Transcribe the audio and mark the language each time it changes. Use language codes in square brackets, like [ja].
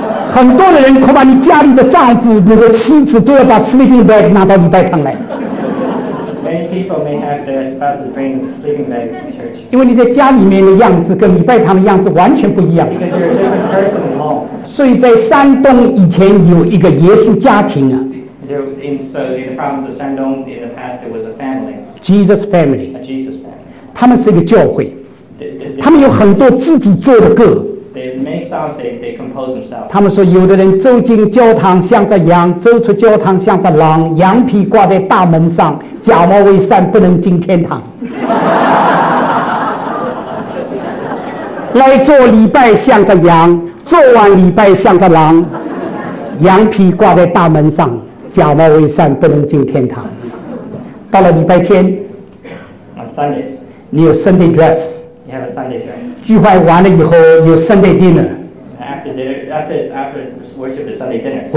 [zh] 很多的人恐怕你家里的丈夫你的妻子都要把 sleeping bag 拿到礼拜堂来。 [en] Many people may have their spouses bring sleeping bags to church. [zh] 因为你在家里面的样子跟礼拜堂的样子完全不一样。 [en] Because you're a different person at home. [zh] 所以在山东以前有一个耶稣家庭啊。 [en] So in the province of Shandong in the past there was a family. Jesus family. A Jesus family. [zh] 他们是一个教会，他们有很多自己做的个。 [en] They have they make sounds, they compose themselves. [zh] 他们说有的人走进教堂像在羊，走出教堂像在狼，羊皮挂在大门上，假冒为善不能进天堂。来做礼拜像在羊，做完礼拜像在狼，羊皮挂在大门上，假冒为善不能进天堂。到了礼拜天 [en] on Sundays, [zh] 你有 Sunday dress, [en] you have a Sunday dress. [zh] 聚会完了以后有 Sunday dinner, [en] after worship is Sunday dinner.